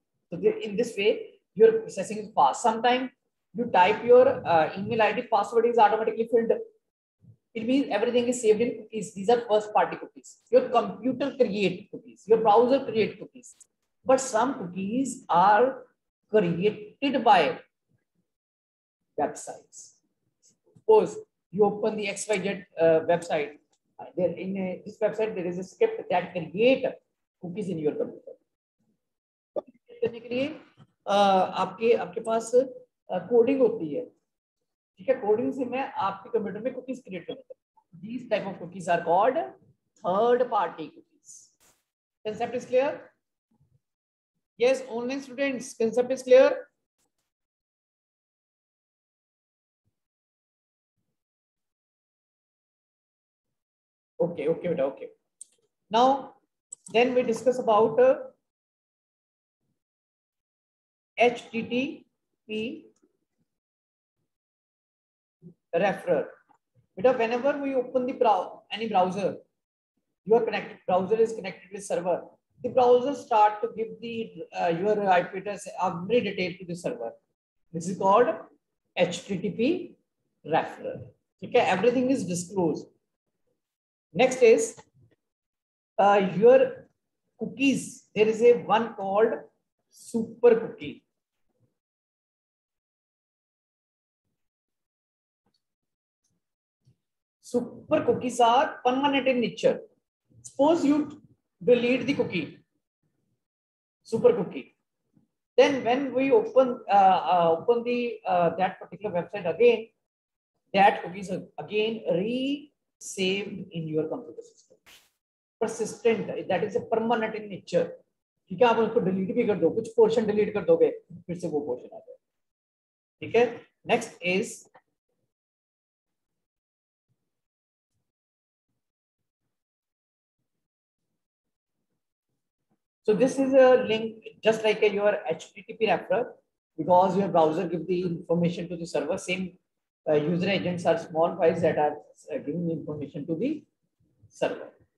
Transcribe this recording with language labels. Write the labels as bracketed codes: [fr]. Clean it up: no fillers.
[en] So in this way your processing is fast. Sometime you type your email id, password is automatically filled, it means everything is saved in cookies, these are first party cookies, your computer create cookies, your browser create cookies, but some cookies are created by websites. Suppose you open the xyz website, there in this website there is a script that create cookies in your computer, [hi] karne ke liye aapke paas coding होती है, ठीक है, coding से मैं आपके computer में cookies create करता हूं, [en] These type of cookies are called third party cookies, concept is clear, yes online students concept is clear, okay okay बेटा okay, now then we discuss about HTTP referrer. But whenever we open the any browser, your connected browser is connected with server, the browser start to give the your IP address every detail to the server, this is called HTTP referrer, okay, everything is disclosed. Next is your cookies, there is a one called super cookie. Super cookies are permanent in nature. Suppose you delete the cookie, super cookie, then when we open the that particular website again, that cookies are again re-saved in your computer system. Persistent, that is a permanent in nature. [hi] ठीक है, आप उसको delete भी कर दो, कुछ portion delete कर दोगे फिर से वो पोर्शन आ जाएगा, ठीक है। [en] Next is so this is a link just like a your HTTP referrer, because your browser give the information to the server, same user agents are small files that are giving information to the server.